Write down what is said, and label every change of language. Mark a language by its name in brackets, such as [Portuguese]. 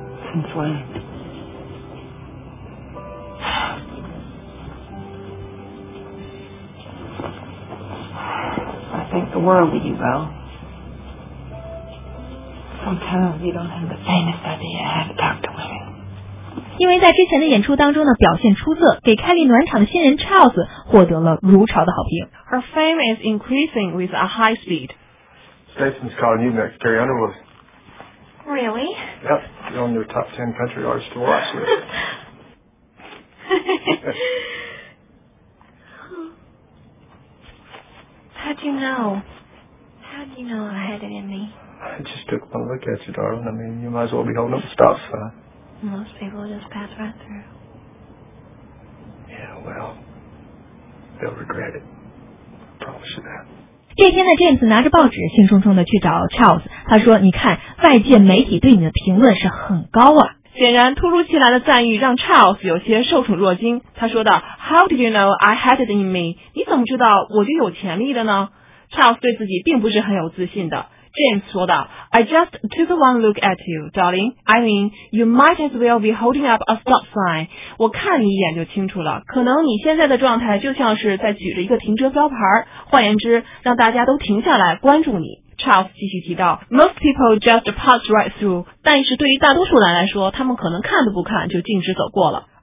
[English] Since when? The world with you, Beau. Sometimes you don't have the faintest idea how to talk to women. [Chinese] 因为在之前的演出当中呢，表现出色，给凯莉暖场的新人 Charles 获得了如潮的好评。 [English] Her fame is increasing with a high speed. Stacey's calling you next, Carrie Underwood. Really? Yep, you're on your top 10 country artists to watch this. How'd you know I had it in me? I just took one look at you, darling. I mean, you might as well be holding up a stop sign. Most people just pass right through. Yeah, well, they'll regret it. Probably. [Chinese] 这天呢 ，James 拿着报纸，兴冲冲的去找 Charles。他说：“你看，外界媒体对你的评论是很高啊。” 显然，突如其来的赞誉让 Charles 有些受宠若惊。他说道 [English] ：“How did you know I had it in me？ [Chinese] 你怎么知道我就有潜力的呢 ？”Charles 对自己并不是很有自信的。 [English] James [Chinese] 说道 [English] ：“I just took one look at you, darling. I mean, you might as well be holding up a stop sign. [Chinese] 我看你一眼就清楚了，可能你现在的状态就像是在举着一个停车标牌。换言之，让大家都停下来关注你。” [English] Charles [Chinese] 继续提到 [English] ：“Most people just pass right through. [Chinese] 但是对于大多数人来说，他们可能看都不看就径直走过了。”